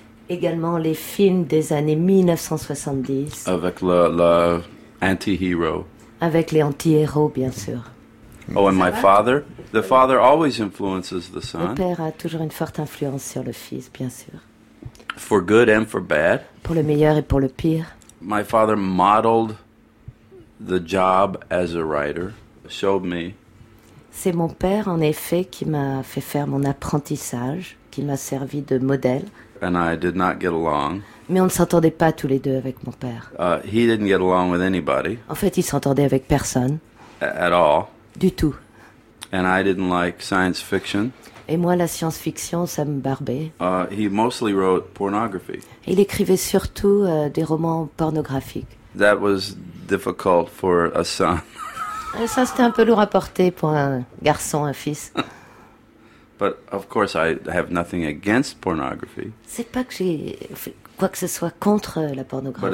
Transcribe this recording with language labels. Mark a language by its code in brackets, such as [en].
[fr] Également les films des années 1970. Avec le anti-hero. Avec les anti-héros, bien sûr. [en] Oh, and my father. The father always influences the son. [fr] Le père a toujours une forte influence sur le fils, bien sûr. [en] For good and for bad. [fr] Pour le meilleur et pour le pire. [en] My father modeled the job as a writer, showed me. [fr] C'est mon père, en effet, qui m'a fait faire mon apprentissage, qui m'a servi de modèle. [en] And I did not get along. [fr] Mais on ne s'entendait pas tous les deux avec mon père. [en] He didn't get along with anybody. [fr] En fait, il s'entendait avec personne. [en] At all. [fr] Du tout. [en] And I didn't like science fiction. [fr] Et moi, la science-fiction, ça me barbait. [en] He mostly wrote pornography. [fr] Il écrivait surtout des romans pornographiques. [en] That was difficult for a son. [fr] Et ça, c'était un peu lourd à porter pour un garçon, un fils. [en] But of course, I have nothing against pornography. [fr] C'est pas que j'ai quoi que ce soit contre la pornographie.